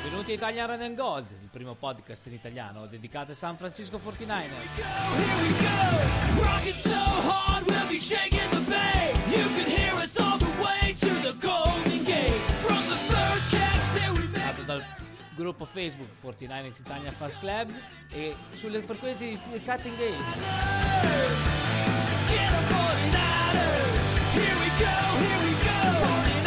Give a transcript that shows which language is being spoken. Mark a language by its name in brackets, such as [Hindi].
[Italian] Italian Red and Gold, il primo podcast in italiano dedicato ai San Francisco 49ers. [English] Here we go, rocking so hard, we'll be shaking the bay. You can hear us all the way to the Golden Gate. From the first catch till we make it. [Italian] Nato dal gruppo Facebook 49ers Italian Fast Club e sulle frequenze di Cutting Gate. [English] Get up, 49ers, here we go, here we go.